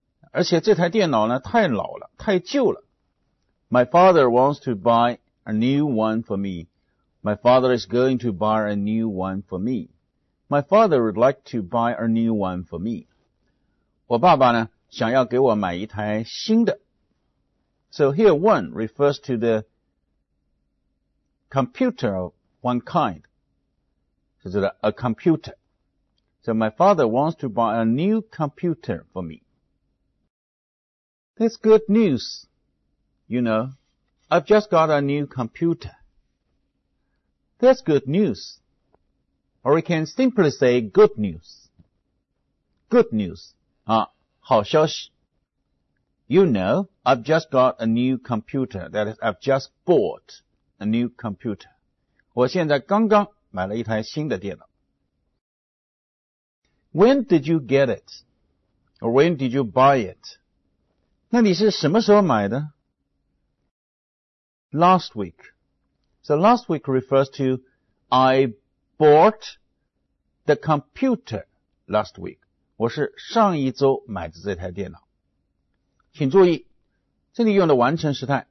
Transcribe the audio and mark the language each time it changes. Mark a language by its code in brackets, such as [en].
[zh] 而且这台电脑呢太老了，太旧了。 [en] My father wants to buy a new one for me. My father is going to buy a new one for me. My father would like to buy a new one for me. [zh] 我爸爸呢想要给我买一台新的。 [en] So here one refers to the computer of one kind. [zh] 就是 [en] a computer. So my father wants to buy a new computer for me. That's good news. You know, I've just got a new computer. That's good news. Or we can simply say good news. Good news. [zh] 啊，好消息。 [en] You know, I've just got a new computer. That is, I've just bought a new computer. [zh] 我现在刚刚买了一台新的电脑。 [en] When did you get it? Or when did you buy it? [zh] 那你是什么时候买的？ [en] Last week. So last week refers to I bought the computer last week. [zh] 我是上一周买的这台电脑。请注意，这里用的完成时态